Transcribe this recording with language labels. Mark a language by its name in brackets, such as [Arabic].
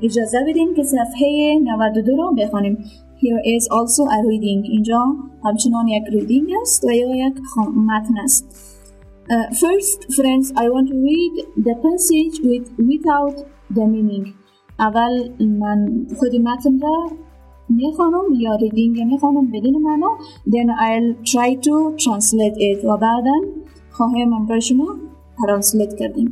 [Persian] اجازه بدین که صفحه 92 رو بخونیم. [English] Here is also a reading. [Persian] اینجا همچنان یک reading است و یا یک متن است. [English] First, friends, I want to read the passage without the meaning. [Persian] اول من خود متن را میخوانم یا ریدینگ میخوانم بدون معنا. [English] Then I'll try to translate it. [Persian] و بعدا خواهیم برای شما ترجمه کردیم.